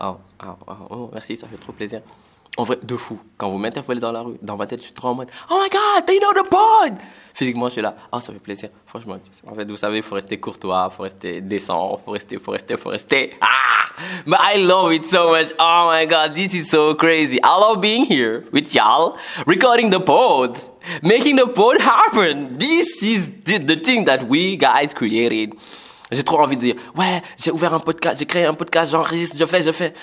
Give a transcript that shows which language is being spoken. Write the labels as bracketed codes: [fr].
[fr] Oh, merci, ça fait trop plaisir. En vrai, de fou. Quand vous m'interpellez dans la rue, dans ma tête, je suis trop en mode. [en] Oh my God, they know the pod. [fr] Physiquement, je suis là. Oh, ça fait plaisir. Franchement, en fait, vous savez, il faut rester courtois, il faut rester décent, il faut rester. [en] Ah! But I love it so much. Oh my God, this is so crazy. I love being here with y'all, recording the pod, making the pod happen. This is the thing that we guys created. [fr] J'ai trop envie de dire, ouais, j'ai ouvert un podcast, j'ai créé un podcast, j'enregistre, je fais.